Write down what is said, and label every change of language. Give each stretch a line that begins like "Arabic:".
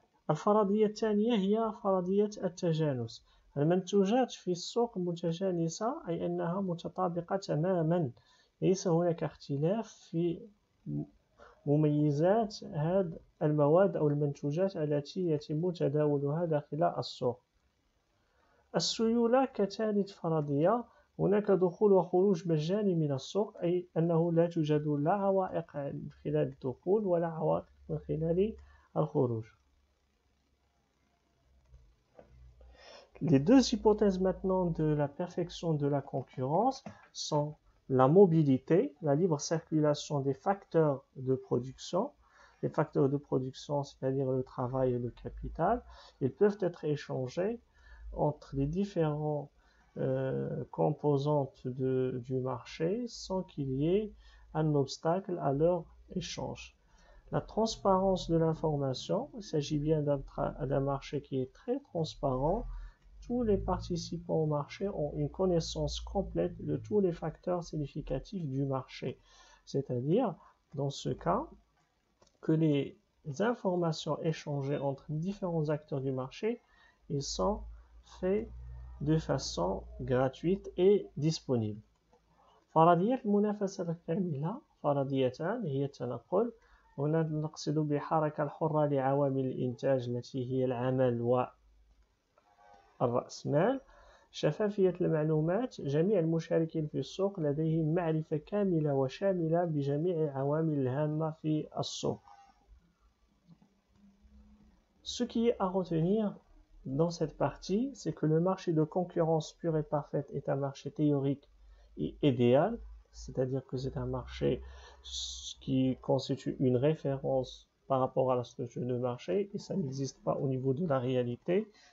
Arabic: الفرضية الثانية هي فرضية التجانس. المنتوجات في السوق متجانسة أي أنها متطابقة تماما، ليس هناك اختلاف في مميزات هذه المواد أو المنتوجات التي يتم تداولها داخل السوق. السيولة كثالث فرضية، هناك دخول وخروج مجاني من السوق أي أنه لا توجد لا عوائق من خلال الدخول ولا عوائق من خلال الخروج.
French: Les deux hypothèses maintenant de la perfection de la concurrence sont la mobilité, la libre circulation des facteurs de production. Les facteurs de production, c'est-à-dire le travail et le capital, ils peuvent être échangés entre les différents composantes du marché sans qu'il y ait un obstacle à leur échange. La transparence de l'information, il s'agit bien d'un marché qui est très transparent. Tous les participants au marché ont une connaissance complète de tous les facteurs significatifs du marché. C'est-à-dire, dans ce cas, que les informations échangées entre les différents acteurs du marché ils sont faites de façon gratuite et disponible.
Arabic: فرضيات المنافسة الكاملة فرضيتان هي التنقل. هنا نقصد بحركة الحرة لعوامل الإنتاج التي هي العمل و الرأسمال. شفافية المعلومات، جميع المشاركين في السوق لديهم معرفة كاملة وشاملة بجميع العوامل الهامة في السوق.
French: Ce qui est à retenir dans cette partie, c'est que le marché de concurrence pure et parfaite est un marché théorique et idéal, c'est-à-dire que c'est un marché qui constitue une référence par rapport à la structure de marché, et ça n'existe pas au niveau de la réalité.